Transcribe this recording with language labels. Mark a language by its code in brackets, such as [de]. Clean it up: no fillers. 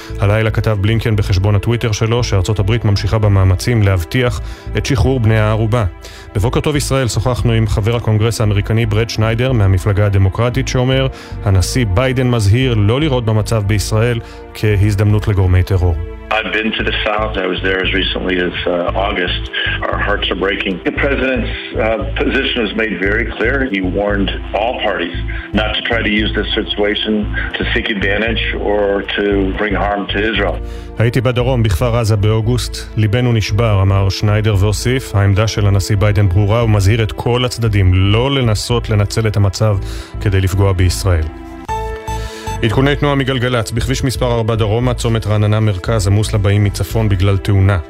[he] הלילה כתב בלינקן בחשבון הטוויטר שלו שארצות הברית ממשיכה במאמצים להבטיח את שחרור בני הערובה. בבוקר טוב ישראל שוחחנו עם חבר הקונגרס האמריקני ברד שניידר מהמפלגה הדמוקרטית, שאומר הנשיא ביידן מזהיר לא לראות במצב בישראל כהזדמנות לגורמי טרור. [en] I've been to the south. I was there as recently as August. Our hearts are breaking. The president's position was made very clear. He warned all parties not to try to use this situation to seek advantage or to bring harm to Israel. [he] הייתי בדרום בכפר עזה באוגוסט. ליבנו נשבר, אמר שניידר והוסיף. העמדה של הנשיא ביידן ברורה ומזהיר את כל הצדדים לא לנסות לנצל את המצב כדי לפגוע בישראל. עדכוני תנועה מגלגלץ, בכביש מספר 4 דרומה, צומת רעננה מרכז, עמוס לבאים מצפון בגלל תאונה.